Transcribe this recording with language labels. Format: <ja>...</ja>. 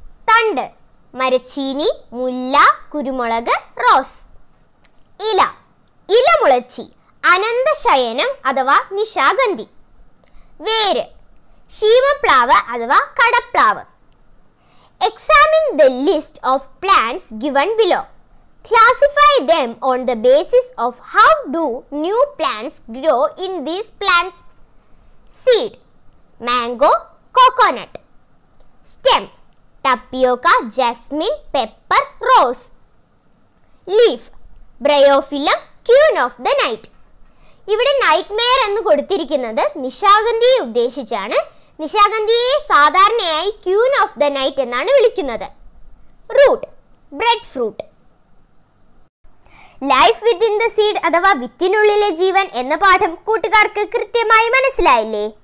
<ml>തണ്ട്, മരച്ചീനി, മുല്ല, കുരുമുളക്, റോസ്. ഇല, ഇലമുളച്ചി, അനന്തശയനം അഥവാ നിശാഗന്ധി. വേര്, ശീമപ്ലാവ് അഥവാ കടപ്ലാവ്.</ml> <en>Examine the list of plants given below. Classify them on the basis of how do new plants grow in these plants. Seed, mango, coconut. Stem, tapioca, jasmine, pepper, rose. Leaf, bryophyllum, queen of the night.</en> <ml>ഇവിടെ nightmare എന്ന് കൊടുത്തിരിക്കുന്നത് നിശാഗന്ധിയെ ഉദ്ദേശിച്ചാണ്. നിശാഗന്ധിയെ സാധാരണയായി queen of the night എന്നാണ് വിളിക്കുന്നത്.</ml> <en>Root, breadfruit. Life within the seed</en> <ml>അഥവാ വിത്തിനുള്ളിലെ ജീവൻ എന്ന പാഠം കൂട്ടുകാർക്ക് കൃത്യമായി മനസ്സിലായില്ലേ?</ml>